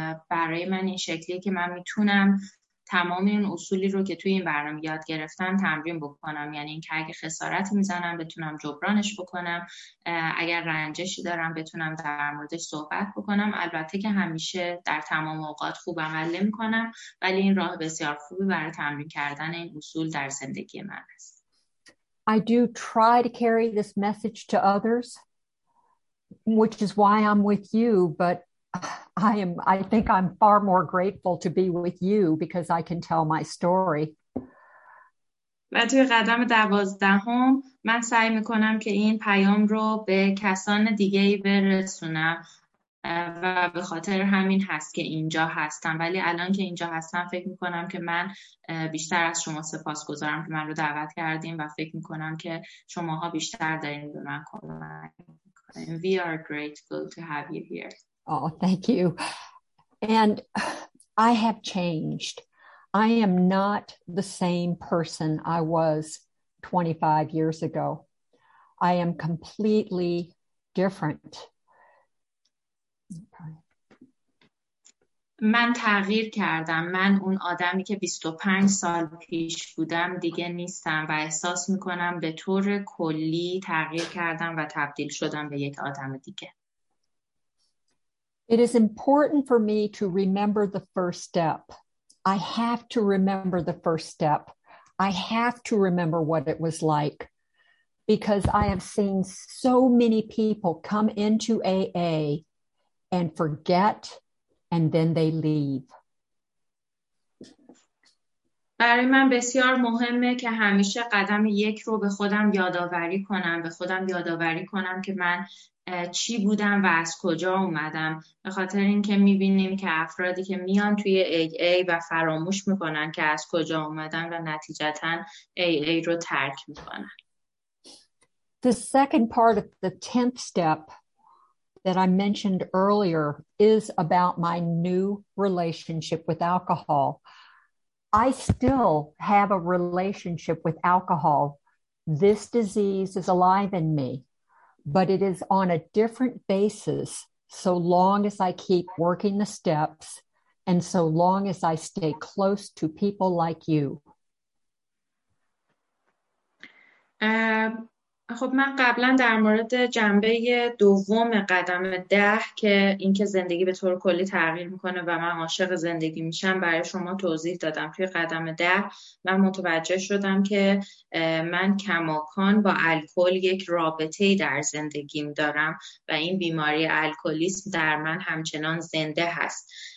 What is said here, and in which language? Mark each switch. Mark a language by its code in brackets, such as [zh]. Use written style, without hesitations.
[fa] برای من این شکلیه که من میتونم تمام این اصولی رو که توی این برنامه یاد گرفتم تمرین بکنم یعنی اینکه اگه خسارتی میزنم بتونم جبرانش بکنم اگر رنجشی دارم بتونم در موردش صحبت بکنم البته که همیشه در تمام اوقات خوب عمل نمی کنم ولی این راه بسیار خوبی برای تمرین کردن این اصول در زندگی من است. [en] I do try to carry this message to others, which is why I'm with you, but I think I'm far more grateful to be with you because I can tell my story. [fa] و توی قدم دوازدهم من سعی میکنم که این پیام رو به کسان دیگه برسونم و به خاطر همین هست که اینجا هستم ولی الان که اینجا هستم فکر میکنم که من بیشتر از شما سپاسگزارم که من رو دعوت کردیم و فکر میکنم که شماها بیشتر دارین به من کمک میکنین. [en] We are grateful to have you here. Oh, thank you. And I have changed. I am not the same person I was 25 years ago. I am completely different. [fa] من تغییر کردم. من اون آدمی که 25 سال پیش بودم دیگه نیستم و احساس میکنم به طور کلی تغییر کردم و تبدیل شدم به یک آدم دیگه. [en] It is important for me to remember the first step. I have to remember the first step. I have to remember what it was like because I have seen so many people come into AA and forget and then they leave. [fa] برای من بسیار مهمه که همیشه قدم یک رو به خودم یادآوری کنم، به خودم یادآوری کنم که من چی بودم و از کجا اومدم. به خاطر اینکه می‌بینیم که افرادی که میان توی AA و فراموش می‌کنن که از کجا اومدن و نتیجتاً AA رو ترک می‌کنن. [en] The second part of the 10th step that I mentioned earlier is about my new relationship with alcohol. I still have a relationship with alcohol. This disease is alive in me, but it is on a different basis so long as I keep working the steps and so long as I stay close to people like you. [fa] خب من قبلا در مورد جنبه دوم قدم ده که اینکه زندگی به طور کلی تغییر میکنه و من عاشق زندگی میشم برای شما توضیح دادم. توی قدم ده من متوجه شدم که من کماکان با الکل یک رابطه در زندگیم دارم و این بیماری الکلیسم در من همچنان زنده هست.